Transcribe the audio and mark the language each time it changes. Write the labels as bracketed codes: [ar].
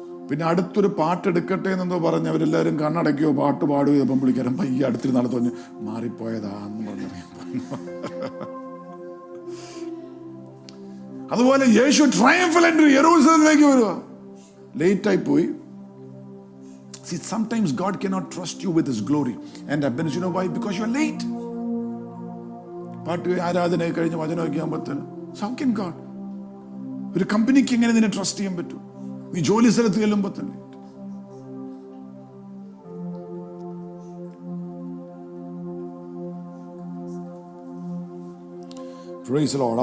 [ml] പിന്നെ അടുത്തൊരു പാട്ടെടുക്കട്ടെ എന്നെന്തോ പറഞ്ഞ് അവരെല്ലാവരും കണ്ണടയ്ക്കോ പാട്ട് പാടുക ചെയ്തപ്പം പുള്ളിക്കാരൻ പയ്യെ അടുത്തിരി നടന്നു പറഞ്ഞ് മാറിപ്പോയതാന്ന് പറഞ്ഞറിയാം. അതുപോലെ യേശു ട്രയംഫൽ എൻട്രി യെരൂശലേമിലേക്ക് വരിക, ലേറ്റ് ആയി പോയി. [en] See, sometimes God cannot trust you with his glory and abundance. You know why? Because you are late. [ml] പാട്ട് ആരാധന കഴിഞ്ഞ് വചനം ഒക്കെയാൻ പറ്റുന്നു. [en] So how can God? [ml] ഒരു കമ്പനിക്ക് എങ്ങനെ നിന്നെ ട്രസ്റ്റ് ചെയ്യാൻ പറ്റൂ? നീ ജോലി സ്ഥലത്ത് ചെല്ലുമ്പോ തന്നെ പ്രൈസ് ദി ലോർഡ്.